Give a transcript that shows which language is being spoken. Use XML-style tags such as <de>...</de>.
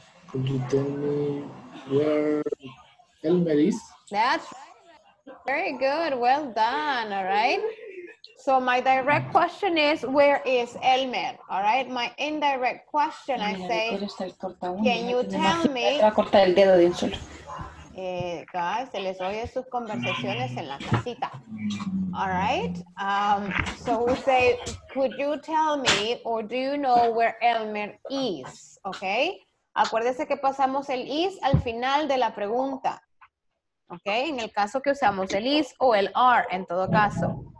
<en>Could you tell me where Elmer is? That's right. Very good. Well done. All right. So my direct question is, where is Elmer? All right. My indirect question, I say, can you tell me?</en> <es>Guys, se les oye sus conversaciones en la casita.</es> <en>All right. So we say, could you tell me or do you know where Elmer is? Okay.</en> <es>Acuérdese que pasamos el is al final de la pregunta. Okay. En el caso que usamos el is o el are en todo caso.</es>